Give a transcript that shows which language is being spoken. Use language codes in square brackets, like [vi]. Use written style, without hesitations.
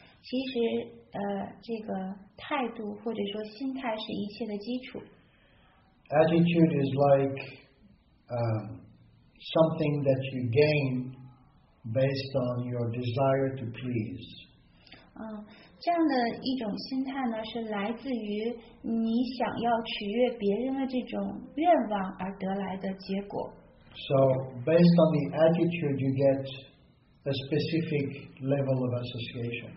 [zh] 其实这个态度或者说心态是一切的基础。 [en] Attitude is like something that you gain based on your desire to please. [zh] 这样的一种心态呢，是来自于你想要取悦别人的这种愿望而得来的结果。 [en] So based on the attitude you get a specific level of association.